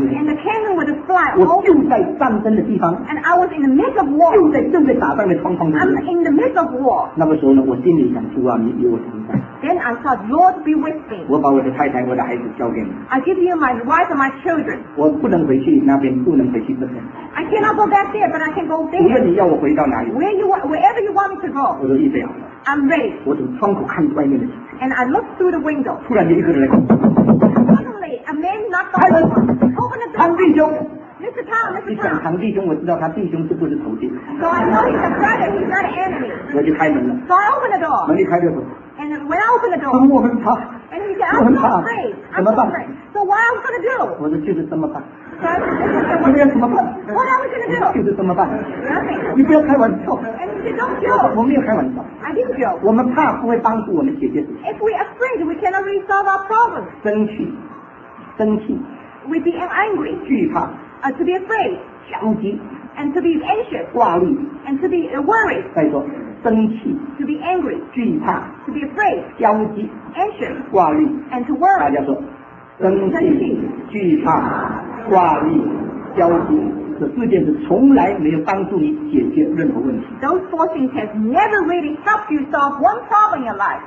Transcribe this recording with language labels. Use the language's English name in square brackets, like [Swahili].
[Chinese] 城。 [English] And the cannon would fly over. [Chinese] 我就在战争的地方。 [English] And I was in the midst of war. [Chinese] 正在打仗的状况中。 [English] I'm in the midst of war. [Chinese] 那个时候呢，我心里想出啊，你与我同在。 [English] Then I thought, Lord, be with me. [Chinese] 我把我的太太、我的孩子交给你。 [English] I give you my wife and my children. [Chinese] 我不能回去那边，不能回去那边。 [English] I cannot go back there, but I can go there. [Chinese] 无论你要我回到哪里。 [English] Where you want, wherever you want me to go. [Chinese] 我都预备好了。 [English] I'm ready. [Chinese] 我从窗口看外面的。 [English] And I looked through the window. [Chinese] 突然有一个人来。 [English] Suddenly, a man knocked on the door. Open the door. [Chinese] 唐弟兄。 [English] Mr. Tom, Mr. Tom. [Chinese] 你讲唐弟兄，我知道他弟兄是不是仇敌。 [English] So I know he's a brother, he's not an enemy. [Chinese] 我就开门了。 [English] So I opened the door. [Chinese] 门一开就走。 [English] And when I opened the door. [Chinese] 我很怕。 [English] And he said, I'm so afraid. [Chinese] 怎么办？ [English] So what I was going to do? [Chinese] 我说就是这么办。 [English] So、 [Chinese] 你要怎么办？ [English] What I was going to do? [Chinese] 就是怎么办？ [English] Nothing. [Chinese] 你不要开玩笑。 [English] And he said, don't joke. [Chinese] 我没有开玩笑。 [English] I didn't joke. [Chinese] 我们怕不会帮助我们解决。 [English] If we're afraid, we cannot resolve our problems. [Chinese] 生气，生气。 [English] We be angry. [Chinese] 惧怕。 [English] To be afraid. [Chinese] 焦急。 [English] And to be anxious. [Chinese] 挂虑。 [English] And to be worried. [Chinese] 再说，生气。 [English] To be angry. [Chinese] 惧怕。 [English] To be afraid. [Chinese] 焦急。 [English] Anxious. [Chinese] 挂虑。 [English] And to worry. [Chinese] 大家说，生气、惧怕。挂虑、焦急，这四件事从来没有帮助你解决任何问题。 [English] Those four things have never really helped you solve one problem in your life.